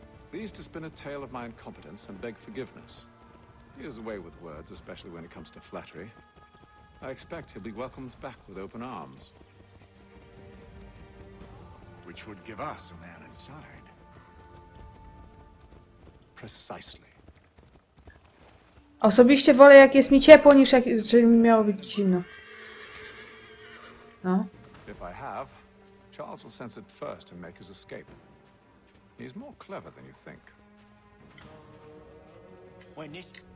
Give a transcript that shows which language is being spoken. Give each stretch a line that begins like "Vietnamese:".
English: Pleased to spin a tale of my incompetence and beg forgiveness. He has a way with words, especially when it comes to flattery. I expect he'll be welcomed back with open arms. Which would give us a man inside. Precisely.
Polish: Osobiście wolę, jak jest mi ciepło, niż jak mi miało być zimno.
English: No. If I have, Charles will sense it first and make his escape. He's more clever than you think. When this...